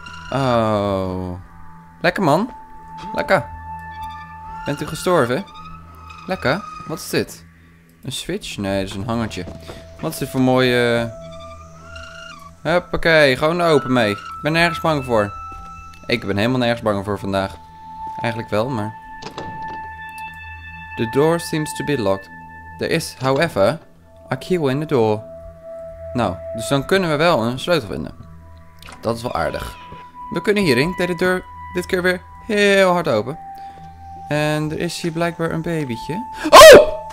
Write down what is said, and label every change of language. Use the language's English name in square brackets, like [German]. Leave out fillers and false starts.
[Dutch] Oh. Lekker man. Lekker. Bent u gestorven? Lekker. Wat is dit? Een switch? Nee, dat is een hangertje. Wat is dit voor mooie. Hoppakee, gewoon open mee. Ik ben nergens bang voor. Ik ben helemaal nergens bang voor vandaag. Eigenlijk wel, maar. [English] The door seems to be locked. There is, however, a key in the door. [Dutch] Nou, dus dan kunnen we wel een sleutel vinden. Dat is wel aardig. We kunnen hierin. Ik deed de deur dit keer weer heel hard open. En er is hier blijkbaar een babytje. Oh!